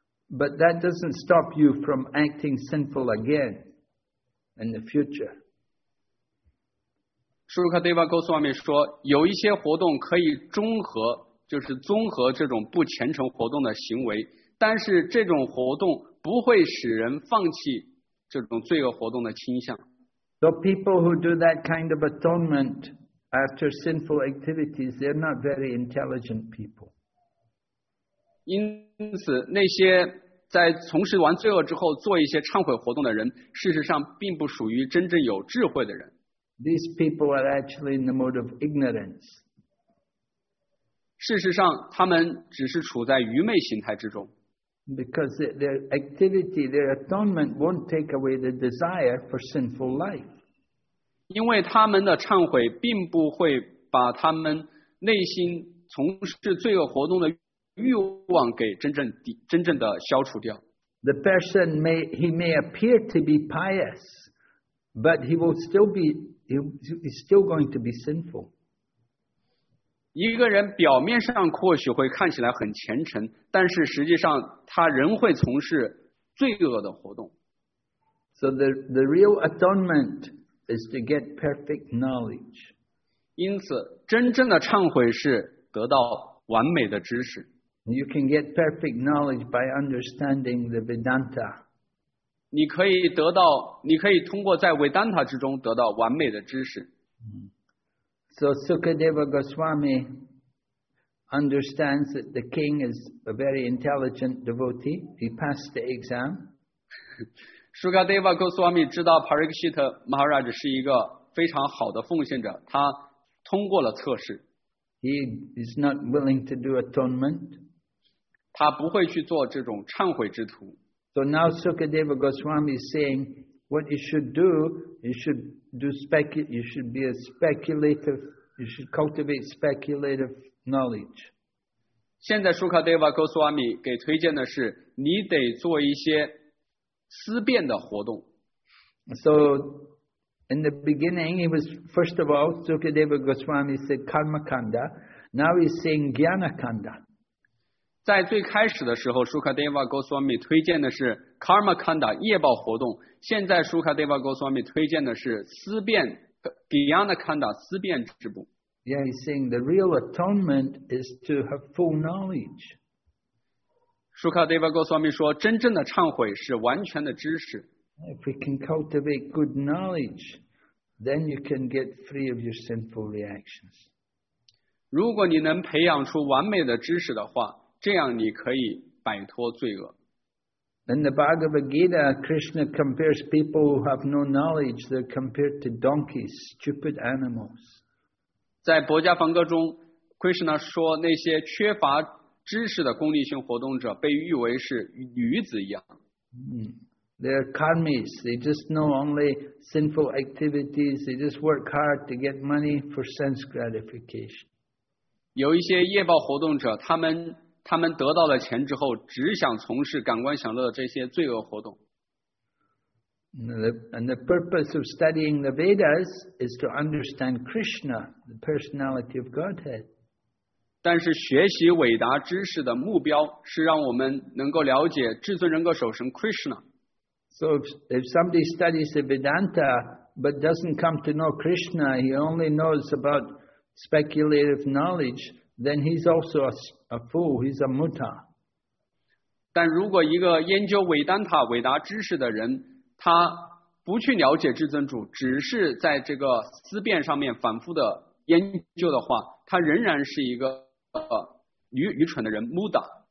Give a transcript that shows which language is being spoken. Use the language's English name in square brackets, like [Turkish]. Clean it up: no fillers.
[English] But that doesn't stop you from acting sinful again in the future. [Chinese] Sukadeva Goswami 说，有一些活动可以中和，就是中和这种不虔诚活动的行为，但是这种活动不会使人放弃这种罪恶活动的倾向。 [English] So people who do that kind of atonement after sinful activities, they're not very intelligent people. [Chinese] 因此那些在从事完罪恶之后做一些忏悔活动的人事实上并不属于真正有智慧的人。 [English] These people are actually in the mode of ignorance. [Chinese] 事实上他们只是处在愚昧形态之中。 [English] Because their activity, their atonement won't take away the desire for sinful life. [Chinese] 因为他们的忏悔并不会把他们内心从事罪恶活动的欲望给真正的消除掉。 [English] The person may he may appear to be pious, but he will still be he's still going to be sinful. [Chinese] 一个人表面上或许会看起来很虔诚，但是实际上他仍会从事罪恶的活动。 [English] So the real atonement is to get perfect knowledge. [Chinese] 因此，真正的忏悔是得到完美的知识。 [English] You can get perfect knowledge by understanding the Vedanta. [Chinese] 你可以得到，你可以通过在 Vedanta 之中得到完美的知识。 [English] So Sukadeva Goswami understands that the king is a very intelligent devotee. He passed the exam. [Chinese] Sukadeva Goswami 知道 Parikshit Maharaj 是一个非常好的奉献者，他通过了测试。 [English] He is not willing to do atonement. [Chinese] 他不会去做这种忏悔之徒。 [English] So now Sukadeva Goswami is saying, what you should do, you should be a speculative, you should cultivate speculative knowledge. [Chinese] 现在 Sukadeva Goswami 给推荐的是，你得做一些思辨的活动。 [English] So in the beginning, it was first of all Sukadeva Goswami said Karma Kanda. Now he's saying Jnana Kanda. [Chinese] 在最开始的时候 Sukadeva Goswami 推荐的是 Karma Kanda 业报活动，现在 Sukadeva Goswami 推荐的是思辨 Jnana Kanda 思辨之步。 [English] Yeah, he's saying the real atonement is to have full knowledge. [Chinese] Sukadeva Goswami 说真正的忏悔是完全的知识。 [English] If we can cultivate good knowledge, then you can get free of your sinful reactions. [Chinese] 如果你能培养出完美的知识的话，这样你可以摆脱罪恶。 [English] In the Bhagavad Gita, Krishna compares people who have no knowledge, they're compared to donkeys, stupid animals. [Chinese] 在《薄伽梵歌》中 ，Krishna 说那些缺乏知识的功利性活动者被誉为是驴子一样。 [English] They're karmis. They just know only sinful activities. They just work hard to get money for sense gratification. [Chinese] 有一些业报活动者，他们得到了钱之后，只想从事感官享乐的这些罪恶活动。 [English] And the purpose of studying the Vedas is to understand Krishna, the personality of Godhead. [Chinese] 但是学习伟达知识的目标是让我们能够了解至尊人格首神 Krishna。 [English] So if somebody studies the Vedanta but doesn't come to know Krishna, he only knows about speculative knowledge. Then he's also a fool. He's a muta. [Chinese] 但如果一个研究维丹塔伟达知识的人，他不去了解至尊主，只是在这个思辨上面反复的研究的话，他仍然是一个愚蠢的人 ，muta.